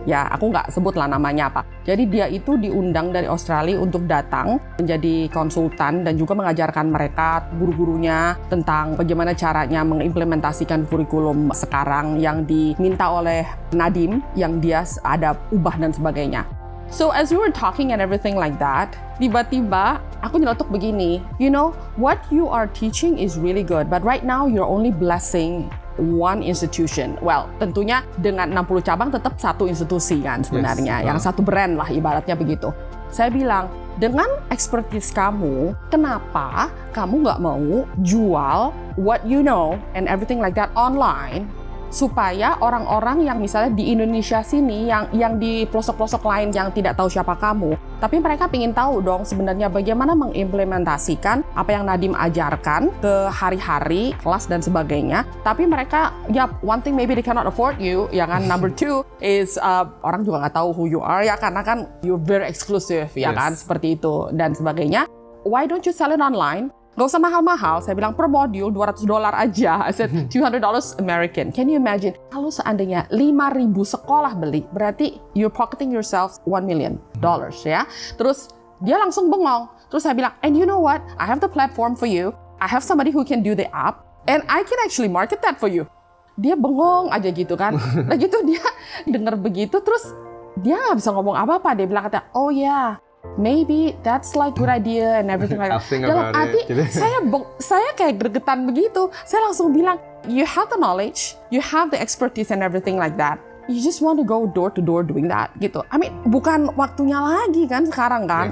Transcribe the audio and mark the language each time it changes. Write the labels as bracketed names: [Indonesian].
[Indonesian] Ya, aku nggak sebut lah namanya apa. Jadi dia itu diundang dari Australia untuk datang menjadi konsultan dan juga mengajarkan mereka, guru-gurunya, tentang bagaimana caranya mengimplementasikan kurikulum sekarang yang diminta oleh Nadiem yang dia ada ubah dan sebagainya. [English] So as we were talking and everything like that, [Indonesian] tiba-tiba aku nyeletuk begini, [English] you know, what you are teaching is really good, but right now you're only blessing one institution. [Indonesian] Well, tentunya dengan 60 cabang tetap satu institusi kan sebenarnya, yes. Yang satu brand lah ibaratnya begitu. Saya bilang, dengan expertise kamu, kenapa kamu nggak mau jual [English] what you know and everything like that online? [Indonesian] Supaya orang-orang yang misalnya di Indonesia sini, yang di pelosok-pelosok lain yang tidak tahu siapa kamu, tapi mereka ingin tahu dong sebenarnya bagaimana mengimplementasikan apa yang Nadiem ajarkan ke hari-hari, kelas dan sebagainya. Tapi mereka, ya [English] one thing maybe they cannot afford you, [Indonesian] ya kan? [English] Number two is [Indonesian] orang juga nggak tahu [English] who you are, [Indonesian] ya karena kan [English] you're very exclusive, ya [Indonesian] Kan? Seperti itu dan sebagainya. [English] Why don't you sell it online? [Indonesian] Gak usah mahal-mahal, saya bilang per module $200 aja. [English] I said $200 American. Can you imagine? [Indonesian] Kalau seandainya 5,000 sekolah beli, berarti [English] you're pocketing yourself $1 million, ya. [Indonesian] Terus dia langsung bengong. Terus saya bilang, [English] and you know what? I have the platform for you. I have somebody who can do the app, and I can actually market that for you. [Indonesian] Dia bengong aja gitu kan. Nah gitu dia dengar begitu, terus dia nggak bisa ngomong apa-apa. Dia bilang kata, oh ya. Yeah. [English] Maybe that's like good idea and everything like that. [Indonesian] Dalam hati saya kayak gregetan begitu. Saya langsung bilang, [English] you have the knowledge, you have the expertise and everything like that. You just want to go door to door doing that, gitu. I mean, [Indonesian] bukan waktunya lagi kan sekarang kan?